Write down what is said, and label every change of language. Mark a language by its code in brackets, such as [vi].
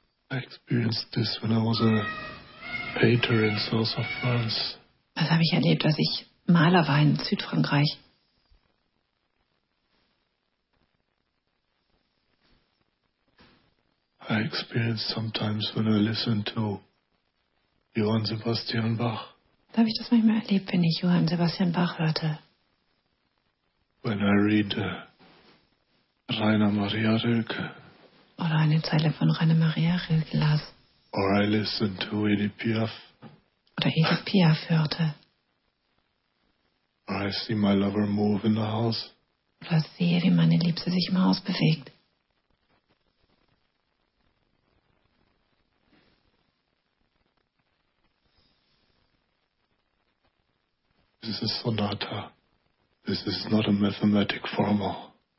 [en] I experienced this when I was a painter in South of France. [de] Was habe ich erlebt, als ich Maler war in Südfrankreich? [en] I experienced sometimes when I listened to Johann Sebastian Bach. [de] Da habe ich das manchmal erlebt, wenn ich Johann Sebastian Bach hörte. [en] When I read Rainer Maria Rilke. [de] Oder eine Zeile von Rainer Maria Rilke las. [en] Or I listened to Edith Piaf. [de] Oder Edith Piaf hörte. [en] Or I see my lover move in the house. [de] Oder sehe, wie meine Liebste sich im Haus bewegt. [en] This is sonata. This is not a mathematic formal.